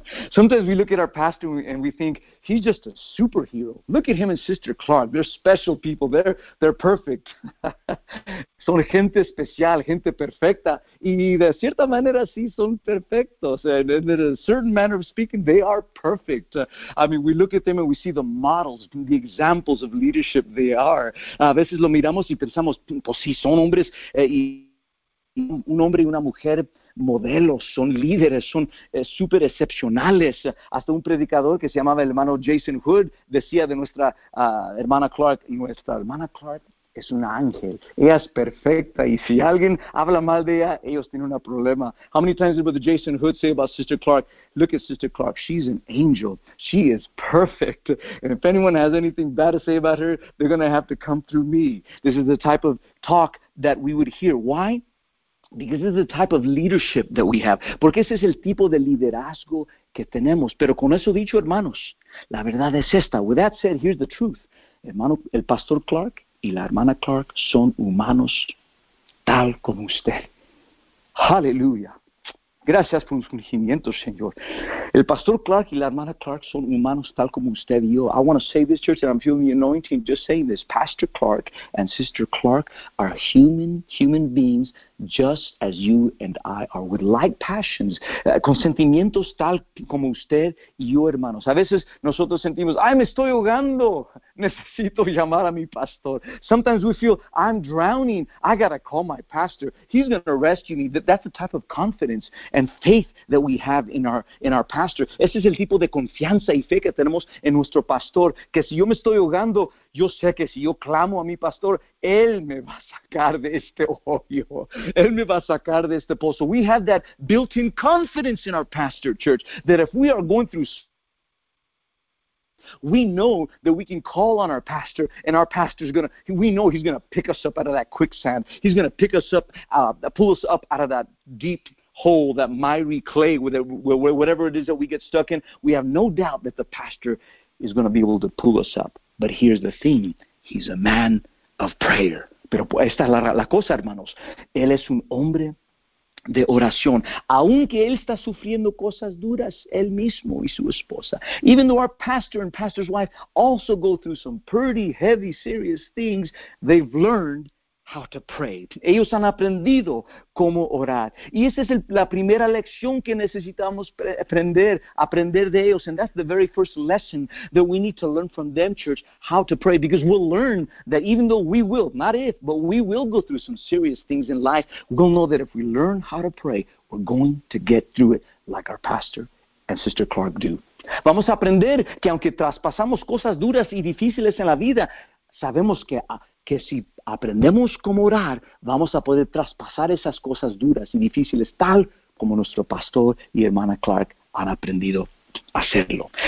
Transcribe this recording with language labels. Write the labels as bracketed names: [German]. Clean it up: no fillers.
[English] Sometimes we look at our pastor and we think, he's just a superhero. Look at him and Sister Clark. They're special people. They're perfect. [Spanish] Son gente especial, gente perfecta. Y de cierta manera, sí, son perfectos. [English] And in a certain manner of speaking, they are perfect. I mean, we look at them and we see the models, the examples of leadership they are. [Spanish] A veces lo miramos y pensamos, pues sí, son hombres. Y un hombre y una mujer modelos, son líderes, son super excepcionales. Hasta un predicador que se llamaba el hermano Jason Hood decía de nuestra hermana Clark, y nuestra hermana Clark es un ángel. Ella es perfecta y si alguien habla mal de ella, ellos tienen un problema. [English] How many times did Brother Jason Hood say about Sister Clark? Look at Sister Clark. She's an angel. She is perfect. And if anyone has anything bad to say about her, they're going to have to come through me. This is the type of talk that we would hear. Why? Because this is the type of leadership that we have. [Spanish] Porque ese es el tipo de liderazgo que tenemos. Pero con eso dicho, hermanos, la verdad es esta. [English] With that said, here's the truth. [Spanish] Hermano, el pastor Clark y la hermana Clark son humanos tal como usted. Aleluya. Gracias por sus conocimientos, Señor. El pastor Clark y la hermana Clark son humanos tal como usted y yo. [English] I want to say this, church, and I'm feeling the anointing just saying this. Pastor Clark and Sister Clark are human beings just as you and I are, with like passions, [Spanish] con sentimientos tal como usted y yo, hermanos. A veces nosotros sentimos, ¡ay, me estoy ahogando! Necesito llamar a mi pastor. [English] Sometimes we feel, I'm drowning. I gotta call my pastor. He's gonna rescue me. That's the type of confidence and faith that we have in our pastor. [Spanish] Ese es el tipo de confianza y fe que tenemos en nuestro pastor. Que si yo me estoy ahogando, yo sé que si yo clamo a mi pastor, él me va a sacar de este hoyo. Él me va a sacar de este pozo. [English] We have that built-in confidence in our pastor, church, that if we are going through, we know that we can call on our pastor, and our pastor's going to, we know he's going to pick us up out of that quicksand. He's going to pick us up, pull us up out of that deep hole, that miry clay, whatever it is that we get stuck in. We have no doubt that the pastor is going to be able to pull us up. But here's the thing, he's a man of prayer. [Spanish] Pero esta es la cosa, hermanos. Él es un hombre de oración, aunque él está sufriendo cosas duras, él mismo y su esposa. [English] Even though our pastor and pastor's wife also go through some pretty heavy, serious things, they've learned how to pray. [Spanish] Ellos han aprendido cómo orar. Y esa es la primera lección que necesitamos aprender de ellos. [English] And that's the very first lesson that we need to learn from them, church, how to pray. Because we'll learn that even though we will, not if, but we will go through some serious things in life, we'll know that if we learn how to pray, we're going to get through it like our pastor and Sister Clark do. [Spanish] Vamos a aprender que aunque traspasamos cosas duras y difíciles en la vida, sabemos que si aprendemos cómo orar, vamos a poder traspasar esas cosas duras y difíciles, tal como nuestro pastor y hermana Clark han aprendido a hacerlo.